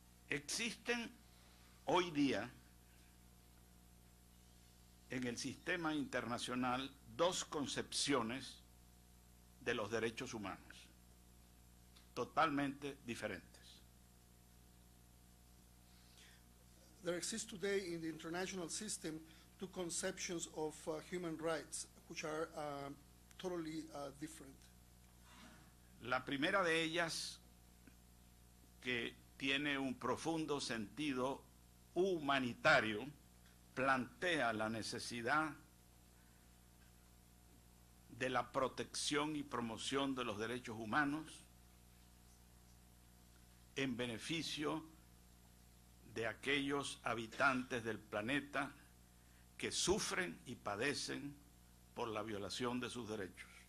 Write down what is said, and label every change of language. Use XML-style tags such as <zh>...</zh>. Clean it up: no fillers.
<es>Existen hoy día en el sistema internacional dos concepciones de los derechos humanos, totalmente diferentes.</es> <en>There exist today in the international system two conceptions of human rights, which are totally different.</en> <es>La primera de ellas, que tiene un profundo sentido humanitario, plantea la necesidad de la protección y promoción de los derechos humanos en beneficio de aquellos habitantes del planeta que sufren y padecen por la violación de sus derechos.</es>